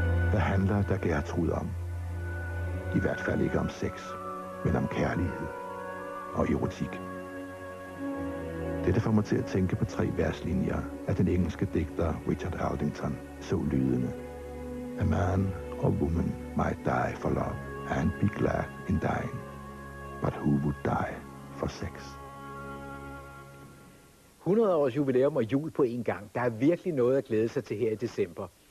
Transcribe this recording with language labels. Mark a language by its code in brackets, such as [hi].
[da] Hvad handler der Gertrud om? I hvert fald ikke om sex, men om kærlighed og erotik. Dette får mig til at tænke på tre verslinjer af den engelske digter Richard Aldington, så lydende. [en] A man or woman might die for love and be glad in dying, but who would die for sex? [da] 100 års jubilæum og jul på en gang. Der er virkelig noget at glæde sig til her i december.